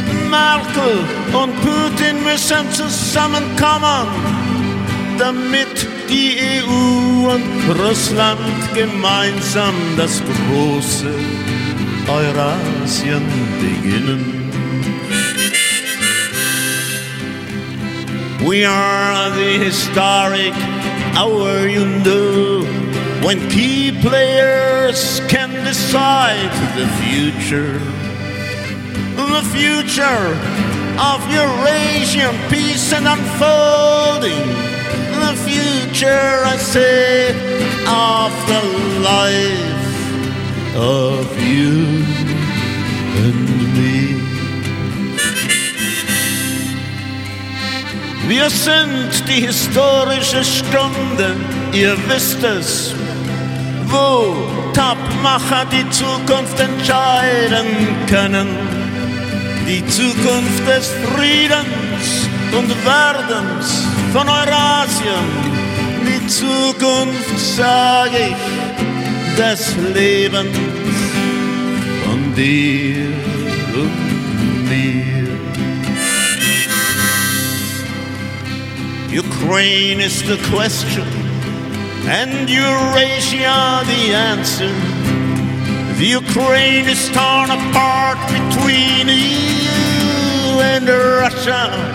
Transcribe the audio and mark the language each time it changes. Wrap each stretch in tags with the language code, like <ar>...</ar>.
<de>Merkel und Putin müssen zusammenkommen, damit die EU und Russland gemeinsam das große Eurasien beginnen.</de> <en>We are the historic hour, you know, when key players can decide the future. The future of Eurasian peace and unfolding. The future, I say, of the life of you and me.</en> <de>Wir sind die historische Stunde, ihr wisst es, wo Topmacher die Zukunft entscheiden können. Die Zukunft des Friedens und Werdens von Eurasien. Die Zukunft, sag ich, des Lebens von dir und mir.</de> <en>Ukraine is the question and Eurasia the answer. The Ukraine is torn apart between EU and Russia.</en>